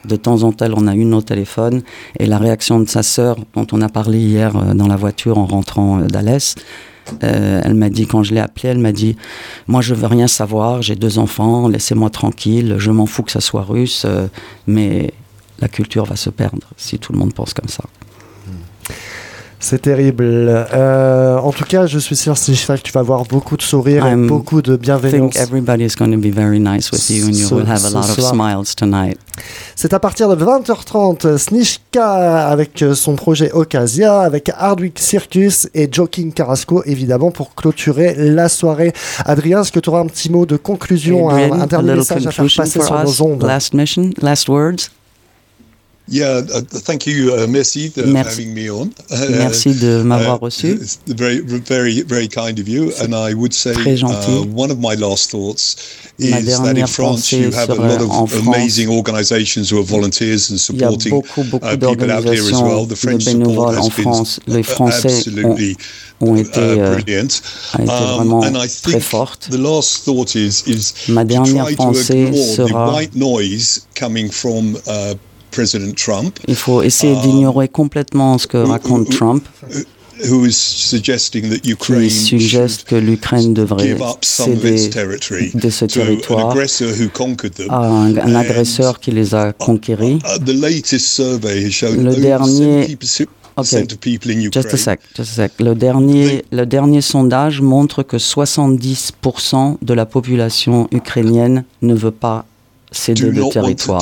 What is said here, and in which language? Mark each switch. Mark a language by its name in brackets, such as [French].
[French] De temps en temps, on a une au téléphone. Et la réaction de sa sœur, dont on a parlé hier dans la voiture en rentrant d'Alès, elle m'a dit, quand je l'ai appelée, elle m'a dit « Moi, je veux rien savoir. J'ai 2 enfants. Laissez-moi tranquille. Je m'en fous que ça soit russe. Mais la culture va se perdre si tout le monde pense comme ça. » C'est terrible. En tout cas, je suis sûr que tu vas avoir beaucoup de sourires et beaucoup de bienveillance. [English] I think everybody is going to be very nice with you and you will have a lot of smiles tonight. [French] C'est à partir de 20h30, Snishka avec son projet Ocasia, avec Hardwick Circus et Joking Carrasco, évidemment, pour clôturer la soirée. Adrien, est-ce que tu auras un petit mot de conclusion, un dernier message à faire passer sur nos ondes ? [English] Last mission, last words. Yeah, thank you, [French] merci de [English] having me on. [French] Merci de m'avoir reçu. [English] It's very, very, very kind of you. And I would say one of my last thoughts is that in France you have a lot of amazing organizations who are volunteers and supporting people out here as well. The French support has been absolutely brilliant. And I think the last thought is to try to ignore the white noise coming from President Trump. [French] Il faut essayer d'ignorer complètement ce que raconte Trump. [English] Who is suggesting that Ukraine suggest should [French] l'Ukraine devrait [English] give up some of its territory [French] de ce territoire [English] to an aggressor who conquered them. [French] À un agresseur qui les a conquéris. [English] The latest survey has shown that 70% of people in Ukraine. Just a sec. [French] Le dernier sondage montre que 70% de la population ukrainienne ne veut pas céder le territoire.